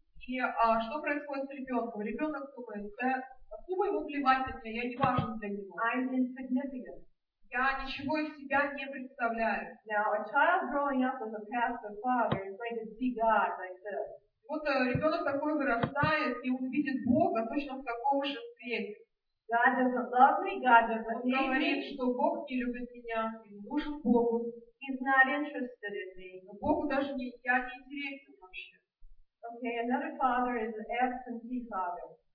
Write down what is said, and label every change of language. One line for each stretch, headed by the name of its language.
Russian: И что происходит с ребенком? Ребенок думает, да, особо ему плевать на меня, я не важен для него.
English: I'm insignificant.
Russian: Я ничего из себя не представляю.
English: Now, a child growing up with a pastor father is going to see God like this.
Russian: Вот ребенок такой вырастает, и он видит Бога точно в таком же свете.
English: God doesn't love me, God doesn't need me.
Russian: Он говорит, что Бог не любит меня, ему нужен Богу.
English: He's not interested in me.
Russian: Но Богу даже не, я не интересен вообще.
English: Okay, another father is an absentee father.